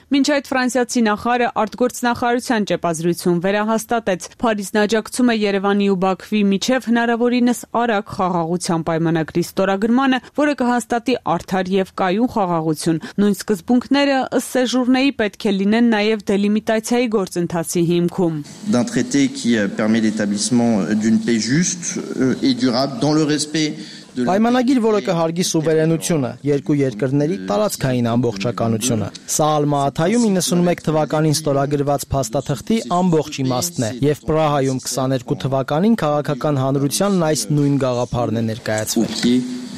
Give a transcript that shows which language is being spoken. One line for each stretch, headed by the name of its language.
Armenian: Մինչ այդ ֆրանսիացի նախարարը արտգործնախարարության ճեպազրույցում վերահաստատեց, Փարիզն աջակցում է Երևանի ու Բաքվի միջև հնարավորինս արագ խաղաղության պայմանագրի ստորագրմանը, որը կհաստատի արդար եւ կայուն խաղաղություն։ Նույն սկզբունքները ըստ Սեժուրնեի պետք է լինեն նաեւ դելիմիտացիայի գործընթացի հիմքում։
French: D'un traité qui permet l'établissement d'une paix juste et durable dans le respect
Armenian: Պայմանագիր, որը կհարգի սուվերենությունը, երկու երկրների տարածքային ամբողջականությունը։ Սա Ալմաաթայում 91 թվականին ստորագրված փաստաթղթի ամբողջ իմաստն է, եւ Պրահայում 22 թվականին քաղաքական հանրությանն այս նույն գաղափարն է ներկայացվել։